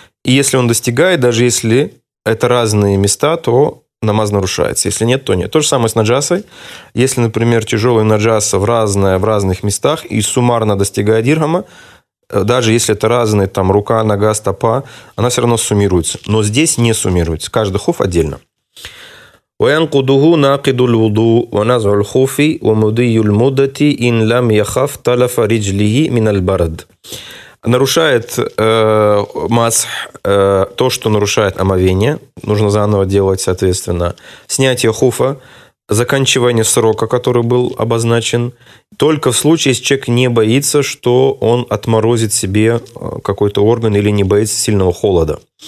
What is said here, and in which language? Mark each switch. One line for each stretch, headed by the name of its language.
Russian: И если он достигает, даже если это разные места, то намаз нарушается. Если нет, то нет. То же самое с наджасой. Если, например, тяжелая наджаса в разных местах и суммарно достигает дирхама, даже если это разные там, рука, нога, стопа, она все равно суммируется. Но здесь не суммируется. Каждый хуф отдельно.
Arabic: وينقضه ناقض الوضوء ونزع الخوف ومضي المدة إن لم يخف تلف رجله من البرد.
Russian: Нарушает масх то, что нарушает омовение. Нужно заново делать, соответственно, снятие хуфа, заканчивание срока, который был обозначен, только в случае, если человек не боится, что он отморозит себе какой-то орган или не боится сильного холода.